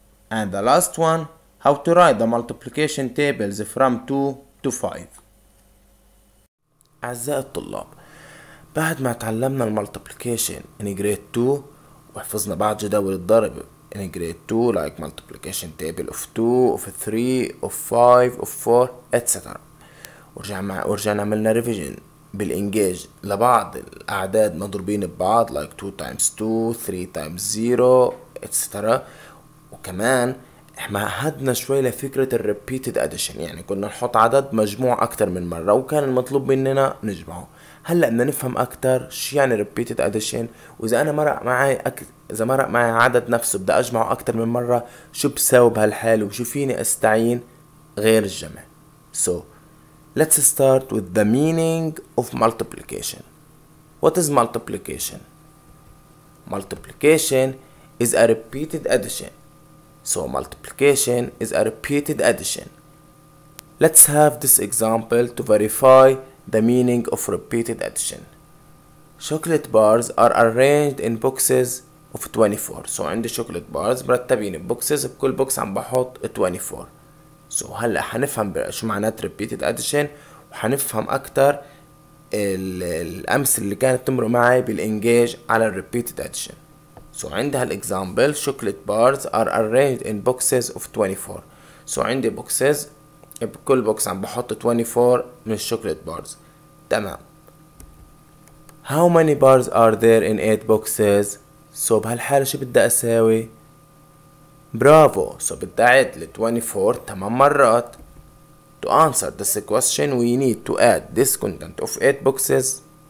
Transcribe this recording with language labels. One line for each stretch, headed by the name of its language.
English: And the last one, how to write the multiplication tables from 2 to 5.
Arabic: أعزائي الطلاب، بعد ما تعلمنا المultiplication in grade 2 وحفظنا بعض جداول الضرب
English: in grade 2 like multiplication table of 2, of 3, of 5, of 4, etc.
Arabic: ورجعنا عملنا
English: revision
Arabic: بالإنجاج لبعض الأعداد مضربين ببعض
English: like 2 times 2, 3 times 0, etc.
Arabic: وكمان احنا عهدنا شوي لفكرة الريبيتد اديشن، يعني كنا نحط عدد مجموع اكتر من مرة وكان المطلوب مننا نجمعه. هلأ بدنا نفهم اكتر شو يعني ريبيتد اديشن، واذا انا مرق معي اذا مرق معي عدد نفسه بدي اجمعه اكتر من مرة شو بساوي بهالحال وشو فيني استعين غير الجمع.
English: So let's start with the meaning of multiplication. What is multiplication? Multiplication is a repeated addition. So multiplication is a repeated addition. Let's have this example to verify the meaning of repeated addition. Chocolate bars are arranged in boxes of 24.
Arabic: So عندي
English: chocolate bars
Arabic: مرتبين بboxes، بكل box عم بحط 24. So هلا حنفهم شو معنات
English: repeated addition
Arabic: وحنفهم أكتر الأمثلة اللي كانت تمر معي بالإنجاج على repeated addition.
English: So
Arabic: عند هالإكزامبل
English: chocolate bars are arranged in boxes of 24.
Arabic: So عندي boxes بكل box عم بحط 24 من
English: chocolate bars.
Arabic: تمام.
English: How many bars are there in 8 boxes?
Arabic: So بهالحالة شو بدي أساوي؟ برافو. So بدي أعد ل 24 8 مرات.
English: To answer this question we need to add this content of 8 boxes.